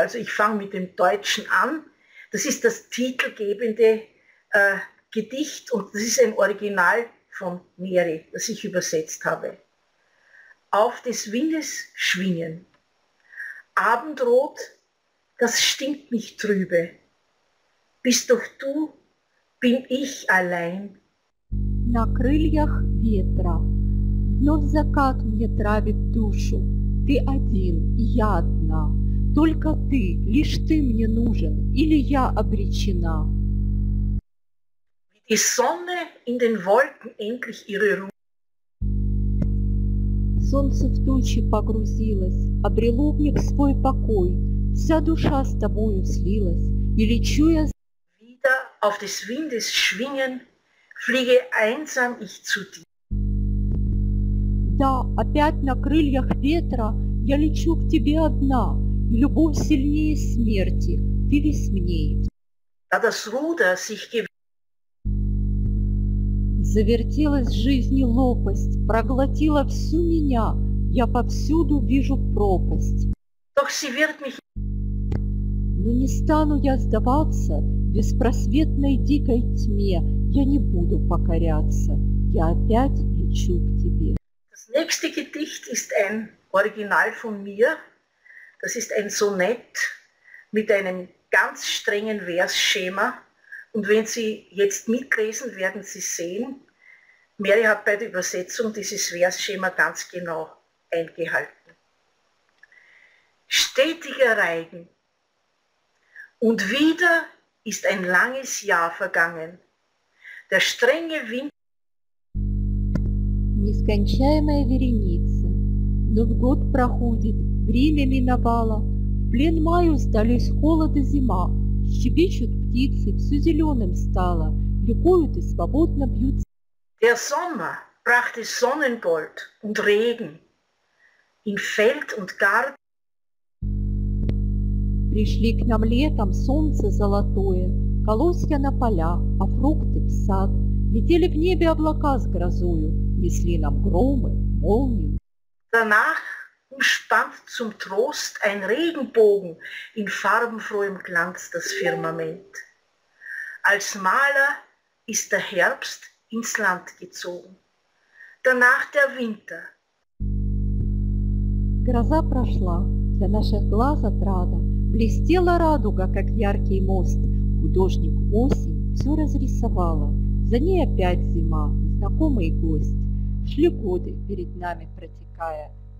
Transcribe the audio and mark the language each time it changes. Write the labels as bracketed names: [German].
[German] Also ich fange mit dem Deutschen an. Das ist das titelgebende Gedicht und das ist ein Original von Mary, das ich übersetzt habe. Auf des Windes Schwingen. Abendrot, das stinkt mich trübe. Bist doch du, bin ich allein. [Russian] На крыльях ветра. Вновь закат мне травит душу. Ты один, я одна. Только ты, лишь ты мне нужен, или я обречена. [German] Die Sonne in den Wolken endlich ihre Ruhe. [Russian] солнце в тучи погрузилось, обрело мне в свой покой, вся душа с тобою слилась, и лечу я... [German] Wieder auf des Windes schwingen, fliege einsam ich zu dir. [Russian] Да, опять на крыльях ветра я лечу к тебе одна, и любовь сильнее смерти, ты весь мне. [German] Da das Ruder sich [Russian] Завертелась жизни лопасть, проглотила всю меня, я повсюду вижу пропасть. [German] Doch sie wird mich... [Russian] Но не стану я сдаваться беспросветной дикой тьме, я не буду покоряться, я опять лечу к тебе. [German] Das nächste Gedicht ist ein Original von mir, das ist ein Sonett mit einem ganz strengen Versschema. Und wenn Sie jetzt mitlesen, werden Sie sehen, Mary hat bei der Übersetzung dieses Versschema ganz genau eingehalten. Stetiger Reigen. Und wieder ist ein langes Jahr vergangen. Der strenge Wind... [Russian] Нескончаемая вереница. Но в год проходит, время миновало. В плен маю сдались холод и зима. Щебечут птицы, все зеленым стало, ликуют и свободно бьются. Der Sommer brachte Sonnengold und Regen in Feld und Garten. Пришли к нам летом солнце золотое, колосья на поля, а фрукты в сад. Летели в небе облака с грозою, несли нам громы, молнию. [German] Danach umspannt zum Trost ein Regenbogen in farbenfrohem Glanz das Firmament. Als Maler ist der Herbst ins Land gezogen. Danach der Winter. [Russian] Гроза прошла, для наших глаз отрада, блестела радуга, как яркий мост. Художник осень все разрисовала, за ней опять зима, знакомый гость. Шли годы перед нами протекая,